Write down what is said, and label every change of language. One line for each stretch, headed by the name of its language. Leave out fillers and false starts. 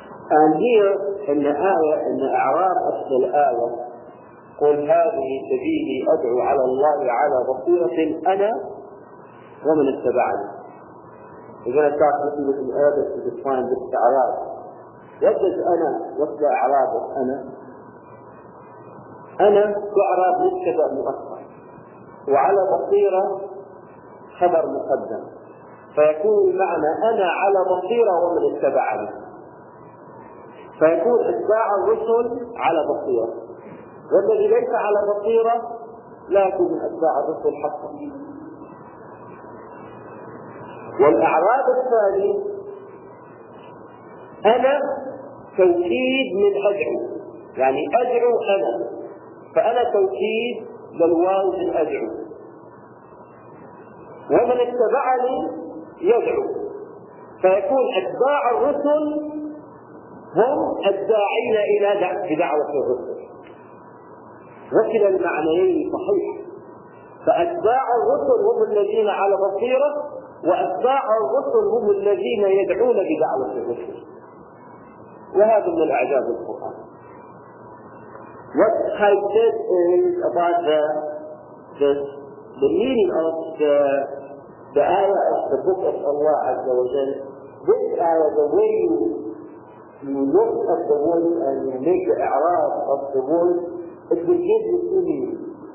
English: And here in the ayah, in the A'raf of the ayah,
Arabic: قُلْ هَذِهِ سَبِيلِي أَدْعُوا عَلَى اللَّهِ عَلَى بَصِيرَةٍ أَنَا وَمَنْ اتَّبَعَنِي.
English: We're going to start looking at the Arabic to define this A'raf. What does أنا, what's the A'raf of أنا?
Arabic: أنا تعرف مبتدأ مؤخر وعلى بصيرة خبر مقدم, فيكون المعنى أنا على بصيرة ومن اتبعني, فيكون اتباع الرسل على بصيرة, والذي ليس على بصيرة لا يكون اتباع الرسل حقا. والأعراب الثاني أنا توكيد من أدعو, يعني أدعو أنا, فأنا توكيد للواو من أدعو, ومن اتبعني يدعو, فيكون أتباع الرسل هم الداعين إلى دعوة الرسل. وكلا المعنيين صحيح, فأتباع الرسل هم الذين على بصيرة, وأتباع الرسل هم الذين يدعون بدعوة الرسل. وهذا من الأعجاب القرآن.
English: What type this is about the meaning of the ayah of the book of Allah Azza wa Jal. This ayah, the way you look at the word and you make the i'rab of the word, it will give you two meanings.